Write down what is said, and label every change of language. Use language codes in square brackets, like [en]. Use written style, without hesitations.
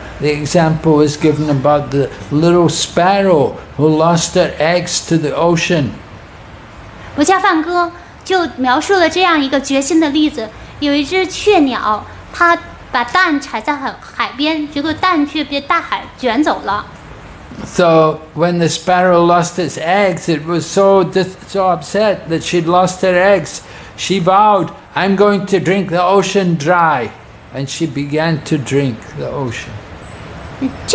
[en] The example is given about the little sparrow who lost her eggs to the ocean. [zh] 不下饭歌。就描述了这样一个决心的例子，有一只雀鸟，它把蛋踩在海边，结果蛋却被大海卷走了。 [en] So when the sparrow lost its eggs, it was so upset that she'd lost her eggs. She vowed, "I'm going to drink the ocean dry," and she began to drink the ocean.